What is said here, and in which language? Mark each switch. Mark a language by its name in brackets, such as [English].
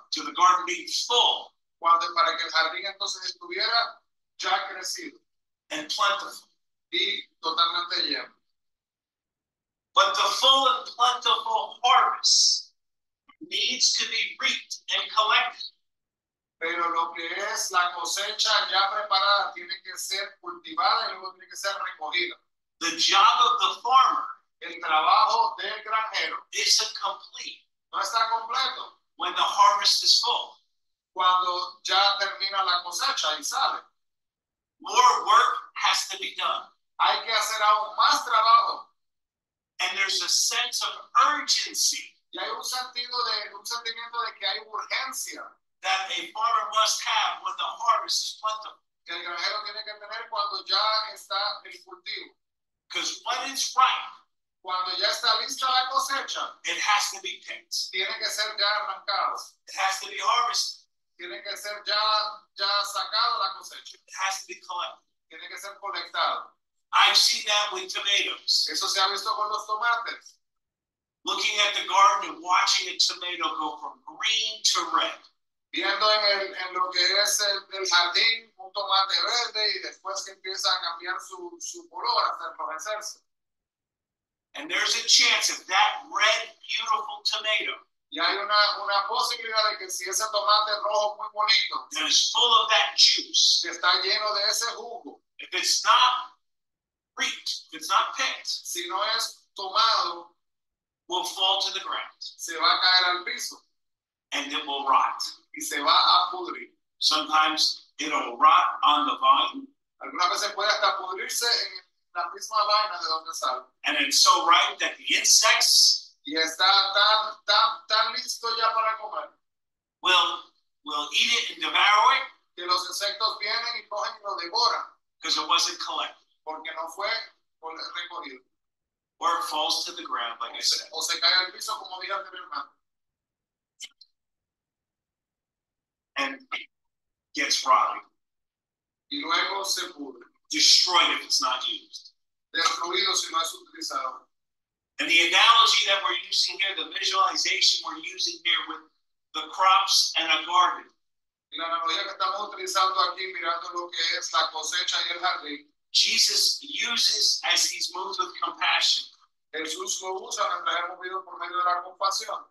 [English] To the garden being full. [Spanish] Cuando para que el jardín entonces estuviera ya crecido. [English] And plentiful. [Spanish] Y totalmente lleno. [English] But the full and plentiful harvest needs to be reaped and collected. [Spanish] Pero lo que es la cosecha ya preparada tiene que ser cultivada y luego tiene que ser recogida. [English] The job of the farmer, [Spanish] el trabajo del granjero, [English] isn't complete. [Spanish] No está completo. [English] When the harvest is full, [Spanish] cuando ya termina la cosecha y sale, [English] more work has to be done. [Spanish] Hay que hacer aún más trabajo. [English] And there's a sense of urgency. [Spanish] Y hay un sentimiento de que hay urgencia. [English] That a farmer must have when the harvest is plentiful. [Spanish] Que el granjero tiene que tener cuando ya está el cultivo. [English] Because when it's ripe, [Spanish] cuando ya está lista la cosecha, [English] it has to be picked. [Spanish] Tiene que ser ya arrancado. [English] It has to be harvested. [Spanish] Tiene que ser ya sacado la cosecha. [English] It has to be collected. [Spanish] Tiene que ser colectado. [English] I've seen that with tomatoes. [Spanish] Eso se ha visto con los tomates. [English] Looking at the garden and watching a tomato go from green to red. [Spanish] Viendo en lo que es el jardín, un tomate verde y después que empieza a cambiar su color hasta enrojecerse. [English] And there's a chance of that red, beautiful tomato. [Spanish] Y hay una posibilidad de que si ese tomate rojo muy bonito. [English] That is full of that juice. [Spanish] Que está lleno de ese jugo. [English] If it's not reaped, it's not picked. [Spanish] Si no es tomado, [English] will fall to the ground. [Spanish] Se va a caer al piso. [English] And it will rot. [Spanish] Y se va a pudrir. [English] Sometimes it'll rot on the vine. [Spanish] Algunas veces puede hasta pudrirse en la misma vaina de donde sale. [English] And it's so ripe that the insects. [Spanish] Y está tan listo ya para comer. [English] Will eat it and devour it. [Spanish] Que los insectos vienen y cogen y lo devoran. [English] Because it wasn't collected. [Spanish] Porque no fue recogido. [English] Or it falls to the ground, like I said. [Spanish] O se cae al piso, como dije anteriormente. [English] And gets rotten. [Spanish] Y luego se pudre. [English] Destroyed if it's not used. [Spanish] Destruido si no es utilizado. [English] And the analogy that we're using here, the visualization we're using here with the crops and a garden. [Spanish] Y la analogía que estamos utilizando aquí, mirando lo que es la cosecha y el jardín. [English] Jesus uses as he's moved with compassion. [Spanish] Jesús lo usa mientras hemos vivido por medio de la compasión.